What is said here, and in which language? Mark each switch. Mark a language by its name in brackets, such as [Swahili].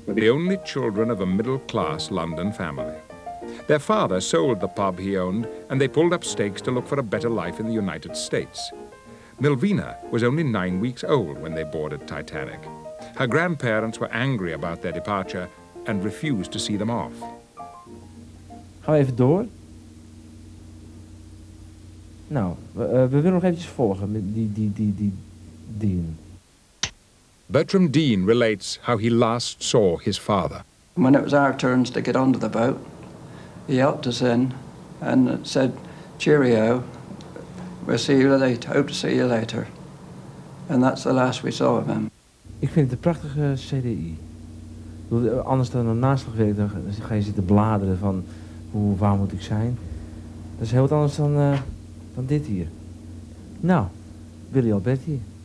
[English] were the only children of a middle-class London family. Their father sold the pub he owned, and they pulled up stakes to look for a better life in the United States. Melvina was only 9 weeks old when they boarded Titanic. Her grandparents were angry about their departure and refused to see them off. [Dutch] Gaan we even door? Nou, we willen nog eventjes volgen met die Dean. [English] Bertram Dean relates how he last saw his father. When it was our turn to get onto the boat, he helped us in and said, cheerio, we'll see you later, hope to see you later. And that's the last we saw of him. [Dutch] Ik vind het een prachtige CDI. Anders dan een naslagwerk, dan ga je zitten bladeren van hoe waar moet ik zijn. Dat is heel wat anders dan dit hier. Nou, Willy Alberti.